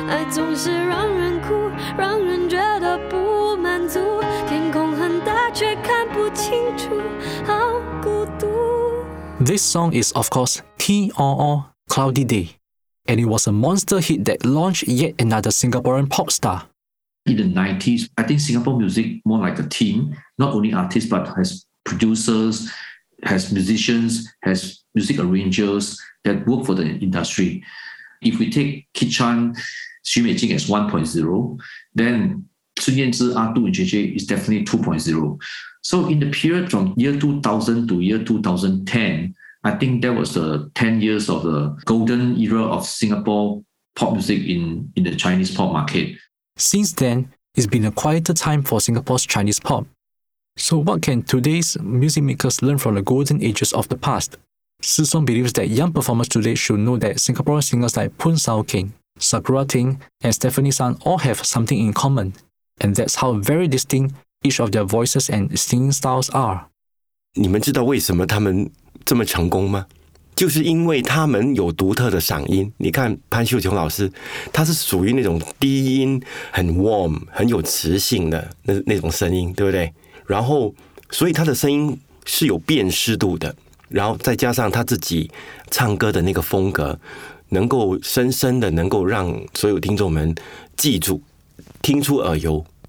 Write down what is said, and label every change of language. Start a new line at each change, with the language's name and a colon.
Chinese: 总是让人哭，让人觉得不满足。天空很大，却看不清楚，好孤独。
English: This song is of course T.O.O. Cloudy Day, and it was a monster hit that launched yet another Singaporean pop star. In the 90s, I think Singapore music more like a team, not only artists but has producers, has musicians, has music arrangers that work for the industry. If we take Kit Chan. 徐美静 is 1.0, then 孙燕姿、阿杜、JJ is definitely 2.0. So in the period from year 2000 to year 2010, I think that was the 10 years of the golden era of Singapore pop music in the Chinese pop market. Since then, it's been a quieter time for Singapore's Chinese pop. So what can today's music makers learn from the golden ages of the past? Si Song believes that young performers today should know that Singaporean singers like Poon Sao King,Sakura Ting and Stefanie Sun all have something in common, and that's how very distinct each of their voices and singing styles are.
Chinese: 你们知道为什么他们这么成功吗？就是因为他们有独特的嗓音。你看潘秀琼老师，他是属于那种低音很 warm 很有磁性的那种声音，对不对？然后所以他的声音是有辨识度的，然后再加上他自己唱歌的那个风格，能够深深的能够让所有听众们记住，听出耳油。